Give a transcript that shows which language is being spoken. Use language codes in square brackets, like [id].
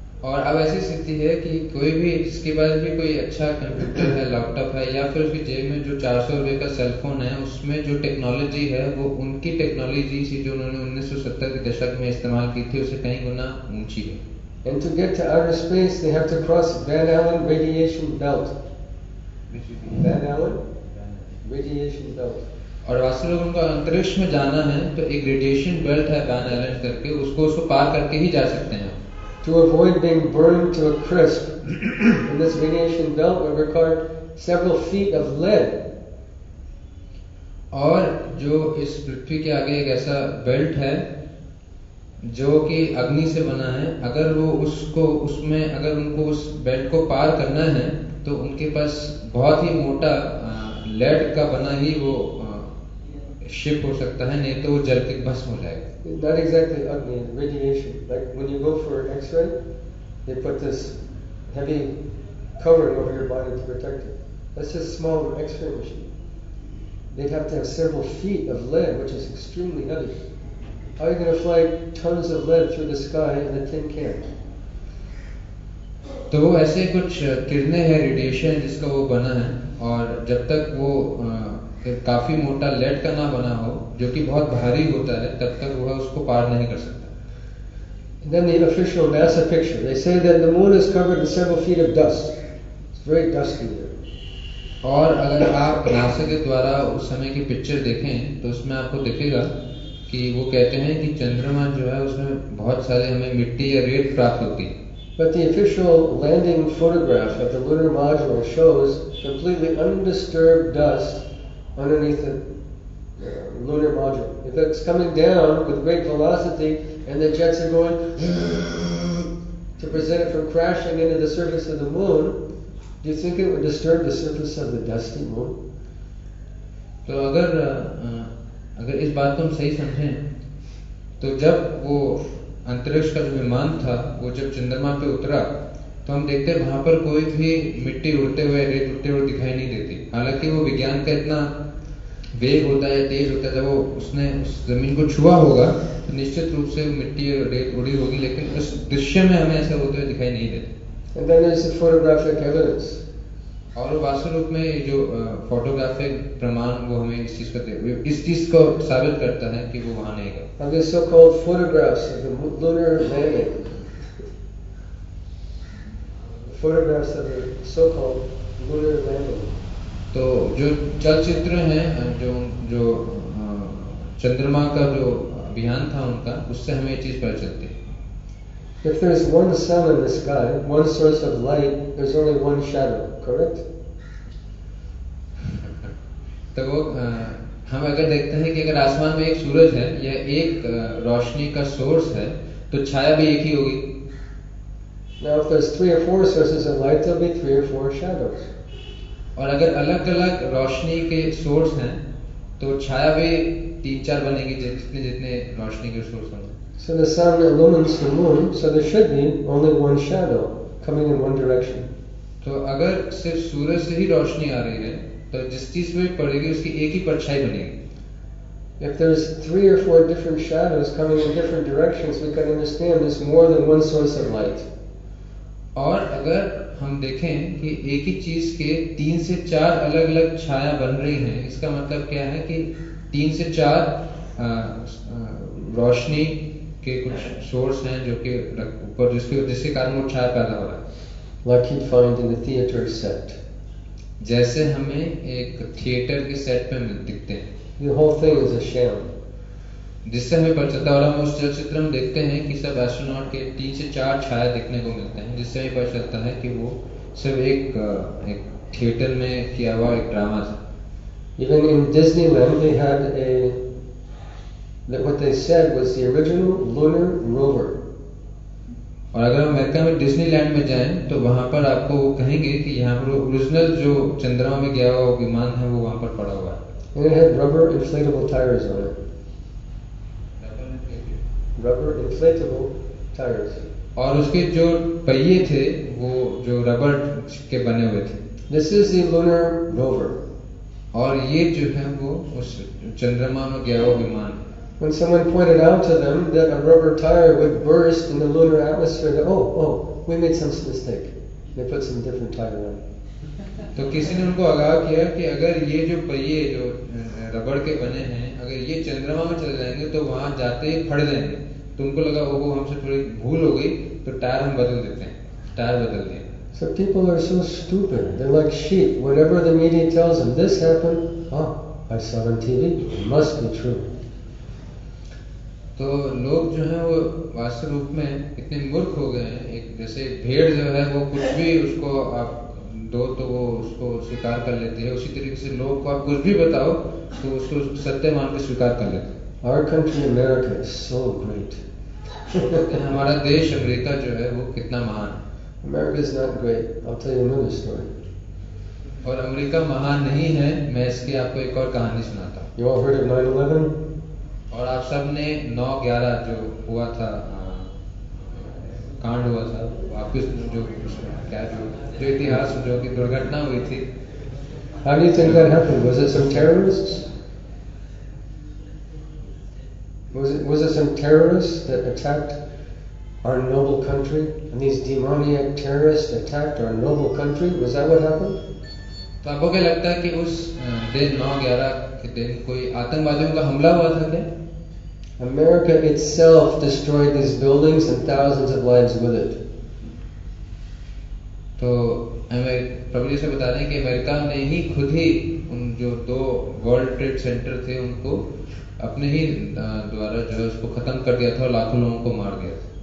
[hi] और अब ऐसी स्थिति है कि कोई भी इसके पास भी कोई अच्छा कंप्यूटर है, लैपटॉप है, या फिर उसकी जेब में जो 400 रुपए का सेल फोन है, उसमें जो टेक्नोलॉजी है वो उनकी टेक्नोलॉजी से जो उन्होंने 1970 के दशक में इस्तेमाल की थी उसे कई गुना ऊंची है. [en] And to get to outer space, they have to cross Van Allen radiation belt. Van Allen radiation belt. [hi] और वास्तव में उनको अंतरिक्ष में जाना है तो एक रेडिएशन बेल्ट है Van Allen करके, उसको पार करके ही जा सकते हैं. [en] To avoid being burned to a crisp, in this radiation belt would require several feet of lead. [hi] और जो इस पृथ्वी के आगे एक ऐसा बेल्ट है जो कि अग्नि से बना है, अगर वो उसको उसमें अगर उनको उस बेल्ट को पार करना है तो उनके पास बहुत ही मोटा लेड का बना ही वो शिप हो सकता है, नहीं तो वो जल के भस्म हो जाएगा. [en] That exactly Agni, radiation. Like when you go for an X-ray, they put this heavy covering over your body to protect it. That's just a small X-ray machine. They'd have to have several feet of lead, which is extremely heavy. How are you going to fly tons of lead through the sky in a tin can? [hi] तो वो ऐसे कुछ किरणें हैं radiation जिसका वो बना है, और जब तक वो काफी मोटा लेड का ना बना हो जो कि बहुत भारी होता है तब तक वह उसको पार नहीं कर सकता. [en] Then the official NASA picture. They say that the moon is covered with several feet of dust. It's very dusty there. [hi] और अगर आप NASA के द्वारा उस समय की पिक्चर देखें तो उसमें आपको दिखेगा कि वो कहते हैं कि चंद्रमा जो है उसमें बहुत सारे हमें मिट्टी या रेत प्राप्त होती है. [en] But the official landing photograph of the lunar module shows completely undisturbed dust underneath the lunar module. If it's coming down with great velocity and the jets are going to prevent it from crashing into the surface of the moon, do you think it would disturb the surface of the dusty moon? [hi] तो अगर अगर इस बात को हम सही समझें तो जब वो अंतरिक्ष का जो विमान था वो जब चंद्रमा पे उतरा तो हम देखते हैं वहां पर कोई भी मिट्टी उड़ते हुए रेत उड़ते हुए दिखाई नहीं देती. हालांकि वो विज्ञान का इतना वेग होता है, तेज होता है, जब वो उसने उस जमीन को छुआ होगा तो निश्चित रूप से मिट्टी और रेत उड़ी होगी, लेकिन उस दृश्य में हमें ऐसा होते हुए दिखाई नहीं देते. [en] And then there's a photographic evidence. [hi] और वास्तव रूप में जो फोटोग्राफिक प्रमाण वो हमें इस चीज को दे इस चीज को साबित करता है कि वो वहां नहीं गया. [en] And there's so-called photographs of the lunar landing. Photographs of the so-called lunar landing. [hi] तो जो चलचित्र हैं जो जो चंद्रमा का जो अभियान था उनका उससे हमें चीज पता चलती है. [en] If there is one sun in the sky, one source of light, there's only one shadow, correct? [hi] तो वो हम अगर देखते हैं कि अगर आसमान में एक सूरज है या एक रोशनी का सोर्स है तो छाया भी एक ही होगी. [en] Now if there's three or four sources of light, there'll be three or four shadows. [hi] और अगर अलग अलग रोशनी के सोर्स हैं तो छाया भी तीन चार बनेगी जितने जितने रोशनी के सोर्स होंगे. [en] So the sun illumines the moon, so there should be only one shadow coming in one direction. [hi] तो अगर सिर्फ सूरज से ही रोशनी आ रही है तो जिस चीज में पड़ेगी उसकी एक ही परछाई बनेगी. [en] If there's three or four different shadows coming in different directions, we can understand there's more than one source of light. [hi] और अगर हम देखें कि एक ही चीज के तीन से चार अलग अलग छाया बन रही हैं, इसका मतलब क्या है कि तीन से चार रोशनी के कुछ सोर्स हैं जो कि ऊपर जिसके कारण वो छाया पैदा हो रहा है. [en] Like you'd find in the theater set. [hi] जैसे हमें एक थिएटर के सेट पे दिखते हैं. [en] The whole thing is a sham. [hi] जिससे हमें पचता और हम उस चलचित्र में देखते हैं कि सब एस्ट्रोनॉट के तीन से चार छाया देखने को मिलते हैं जिससे हमें पचता है कि वो सब एक थिएटर में किया हुआ एक ड्रामा था. [en] Even in Disneyland they had a that what they said was the original lunar rover. [hi] और अगर हम अमेरिका में डिज्नीलैंड में जाएं तो वहां पर आपको कहेंगे कि यहाँ पर ओरिजिनल जो चंद्रमा में गया हुआ विमान है वो वहां पर पड़ा हुआ है. [en] It had rubber inflatable tires on it. Rubber inflatable tires. [hi] और उसके जो पहिए थे वो जो रबर के बने हुए थे. [en] This is the lunar rover. [hi] और ये जो है वो उस चंद्रमा में गया हुआ विमान. [en] When someone pointed out to them that a rubber tire would burst in the lunar atmosphere, they, we made some mistake. They put some different tire on. [hi] तो किसी ने उनको आगाह किया कि अगर ये जो पहिए जो रबड़ के बने हैं अगर ये चंद्रमा में चले जाएंगे तो वहां जाते ही फट जाएंगे. तो उनको लगा वो हमसे थोड़ी भूल हो गई तो टायर हम बदल देते हैं, टायर बदल दिए. [en] So people are so stupid. They're like sheep. Whatever the media tells them, this happened. I saw on TV. It must be true. [hi] तो लोग जो है वो वास्तव रूप में इतने मूर्ख हो गए हैं. एक जैसे भेड़ जो है वो कुछ भी उसको आप दो तो वो उसको स्वीकार कर लेते हैं, उसी तरीके से लोग को आप कुछ भी बताओ तो उसको सत्य मान के स्वीकार कर लेते हैं. [en] Our country, America, is so great. [hi] हमारा देश अमेरिका जो है वो कितना महान. [en] America is not great. I'll tell you another story. [hi] और अमेरिका महान नहीं है, मैं इसकी आपको एक और कहानी सुनाता हूँ. [en] You all heard of 9/11? [hi] और आप सब ने 9/11 जो हुआ था कांड हुआ था वापिस जो क्या जो जो इतिहास जो कि दुर्घटना हुई थी. [en] How do you think that happened? Was it some terrorists? Was it some terrorists that attacked our noble country? And these demoniac terrorists attacked our noble country? Was that what happened? [hi] तो आपको क्या लगता है कि उस दिन 9/11 के दिन कोई आतंकवादियों का हमला हुआ था क्या? [en] America itself destroyed these buildings and thousands of lives with it. [hi] तो हमें प्रभु से बता दें कि अमेरिका ने ही खुद ही उन जो दो वर्ल्ड ट्रेड सेंटर थे उनको अपने ही द्वारा जो उसको खत्म कर दिया था और लाखों लोगों को मार दिया.